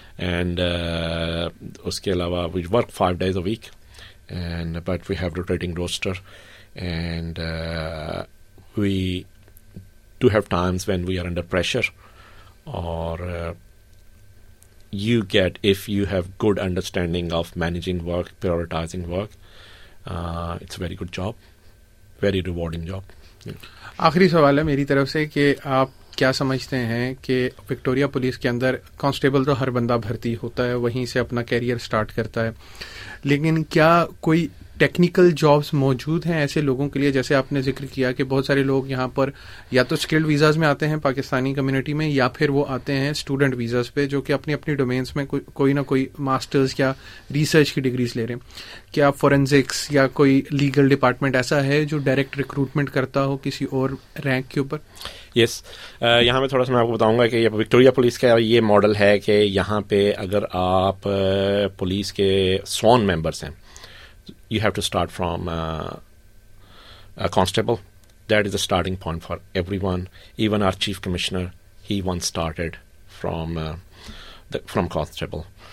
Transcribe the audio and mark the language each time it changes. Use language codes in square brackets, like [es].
[en] And [ur] uske alawa [en] we work 5 days a week, and but we have rotating roster, and we do have times when we are under pressure, or you get, if you have good understanding of managing work, prioritizing work, it's a very good job, very rewarding job. [ur] آخری سوال ہے میری طرف سے کہ آپ کیا سمجھتے ہیں کہ وکٹوریہ پولیس کے اندر کانسٹیبل تو ہر بندہ بھرتی ہوتا ہے, وہیں سے اپنا کیریئر سٹارٹ کرتا ہے, لیکن کیا کوئی ٹیکنیکل جابز موجود ہیں ایسے لوگوں کے لیے, جیسے آپ نے ذکر کیا کہ بہت سارے لوگ یہاں پر یا تو اسکلڈ ویزاز میں آتے ہیں پاکستانی کمیونٹی میں, یا پھر وہ آتے ہیں اسٹوڈنٹ ویزاز پہ جو کہ اپنی اپنی ڈومینس میں کوئی نہ کوئی ماسٹرز یا ریسرچ کی ڈگریز لے رہے ہیں. کیا فورنزکس یا کوئی لیگل ڈپارٹمنٹ ایسا ہے جو ڈائریکٹ ریکروٹمنٹ کرتا ہو کسی اور رینک کے اوپر؟ یس, یہاں میں تھوڑا سا میں آپ کو بتاؤں گا کہ وکٹوریا پولیس کا یہ ماڈل ہے کہ یہاں پہ اگر آپ پولیس کے سوان ممبرس ہیں, [en] you have to start from a constable. That is a starting point for everyone. Even our chief commissioner, he once started from from constable.